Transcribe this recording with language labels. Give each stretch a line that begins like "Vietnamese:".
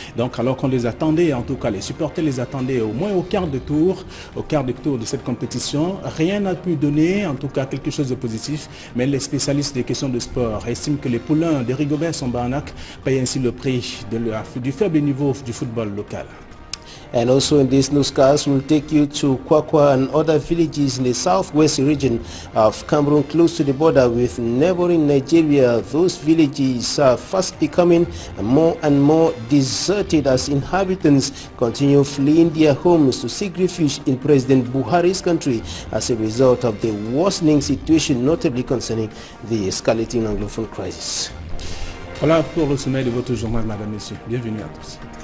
French: Donc alors qu'on les attendait, en tout cas les supporters les attendaient au moins au quart de tour de cette compétition, rien n'a pu donner, en tout cas quelque chose de positif. Mais les spécialistes des questions de sport estiment que les poulains de Rigobert Sombarnac payent ainsi le prix du faible niveau du football local.
English: And also in this newscast, we'll take you to Kwakwa and other villages in the southwest region of Cameroon, close to the border with neighboring Nigeria. Those villages are fast becoming more and more deserted as inhabitants continue fleeing their homes to seek refuge in President Buhari's country as a result of the worsening situation, notably concerning the escalating Anglophone crisis.
French: Voilà pour le sommet de votre journal, madame, monsieur. Bienvenue à tous.